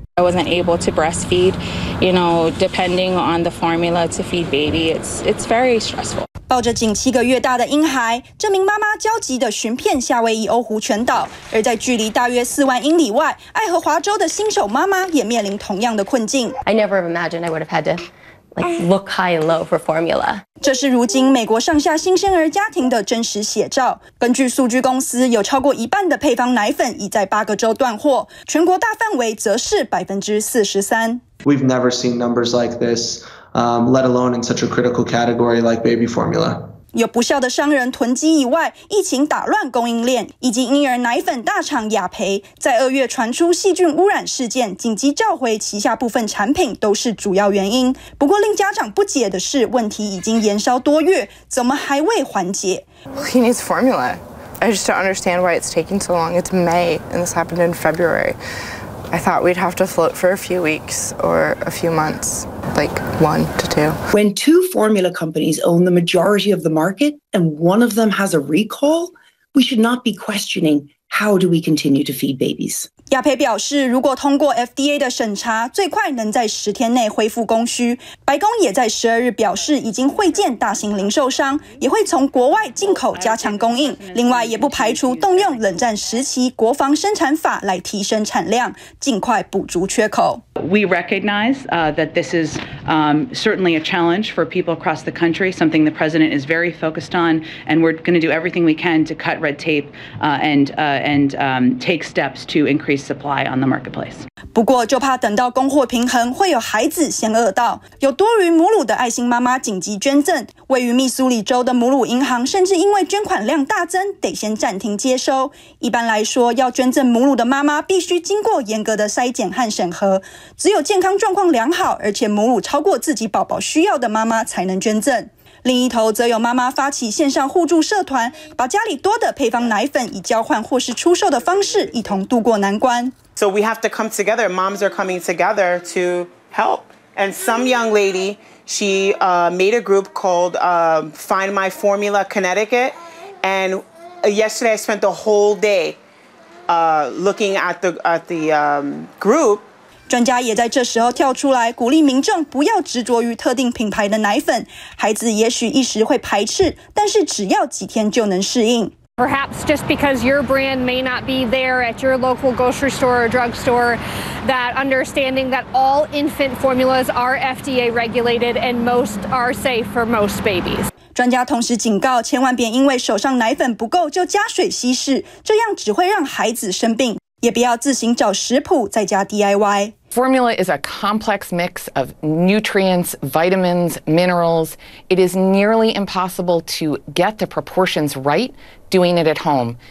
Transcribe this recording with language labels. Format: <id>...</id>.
<en>I wasn't able to breastfeed, you know, depending on the formula to feed baby, it's very stressful.</en> <zh>抱着仅7个月大的婴孩，这名妈妈焦急地寻遍夏威夷欧胡全岛，而在距离大约4万英里外，爱荷华州的新手妈妈也面临同样的困境。</zh> <en>I never imagined I would have had to. Look high and low for formula.</en> <zh>这是如今美国上下新生儿家庭的真实写照。根据数据公司，有超过一半的配方奶粉已在8个州断货，全国大范围则是43%。</zh> <en>We've never seen numbers like this, let alone in such a critical category like baby formula.</en> <zh>有不孝的商人囤积以外，疫情打乱供应链，以及婴儿奶粉大厂雅培在2月传出细菌污染事件，紧急召回旗下部分产品都是主要原因。不过令家长不解的是，问题已经延烧多月，怎么还未缓解</zh> <en>？He needs formula. I just don't understand why it's taking so long. It's May and this happened in February. I thought we'd have to float for a few weeks or a few months. Like 1 to 2. When 2 formula companies own the majority of the market and one of them has a recall, we should not be questioning how do we continue to feed babies.</en> <zh>雅培表示，如果通过 FDA 的审查，最快能在10天内恢复供需。白宫也在12日表示，已经会见大型零售商，也会从国外进口加强供应。另外，也不排除动用冷战时期国防生产法来提升产量，尽快补足缺口。</zh> <en>We recognize that this is certainly a challenge for people across the country, something the president is very focused on, and we're going to do everything we can to cut red tape and take steps to increase supply on the marketplace.</en> <zh>不过就怕等到供货平衡，会有孩子先饿到。有多余母乳的爱心妈妈紧急捐赠，位于密苏里州的母乳银行甚至因为捐款量大增，得先暂停接收。一般来说，要捐赠母乳的妈妈必须经过严格的筛检和审核。只有健康状况良好，而且母乳超过自己宝宝需要的妈妈才能捐赠。另一头则有妈妈发起线上互助社团，把家里多的配方奶粉以交换或是出售的方式一同度过难关。</zh> <en>So we have to come together. Moms are coming together to help. And some young lady, she made a group called Find My Formula Connecticut. And yesterday I spent the whole day looking at the group.</en> <zh>专家也在这时候跳出来，鼓励民众不要执着于特定品牌的奶粉。孩子也许一时会排斥，但是只要几天就能适应。</zh> <en>Perhaps just because your brand may not be there at your local grocery store or drugstore, that understanding that all infant formulas are FDA regulated and most are safe for most babies.</en> <zh>专家同时警告，千万别因为手上奶粉不够就加水稀释，这样只会让孩子生病。也不要自行找食谱在家 DIY。</zh> <en>Formula is a complex mix of nutrients, vitamins, minerals. It is nearly impossible to get the proportions right doing it at home.</en>